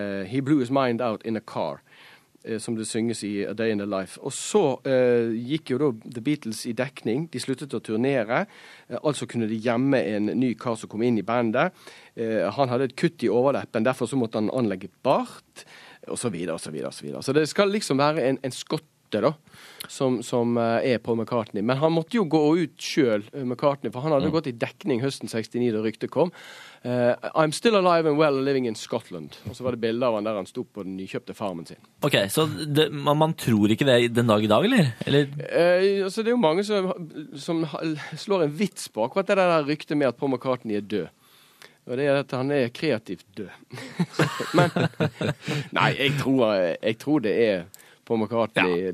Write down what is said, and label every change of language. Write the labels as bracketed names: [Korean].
[English] He blew his mind out in a car. [Norwegian] Som det synges I A Day in the Life. Og så gikk jo da The Beatles I dekning. De sluttet å turnere. Altså kunne de gjemme en ny kar som kom inn I bandet. Han hadde et kutt I overleppen, derfor så måtte han anlegge bart. Og så videre, og så videre, og så videre. Så det skal liksom være en skotte da, som Paul McCartney. Men han måtte jo gå ut selv, McCartney, for han hadde gått I dekning høsten 69 da ryktet kom. [English] I'm still alive and well living in Scotland. [Norwegian] Og så var det bilder av han der han stod på den nykjøpte farmen sin. Ok, så man tror ikke det den dag I dag, eller? Altså, det jo mange som slår en vits på akkurat det der ryktet med at Paul McCartney død. Og det at han kreativt død. Men, nei, jeg tror det på McCartney, ja.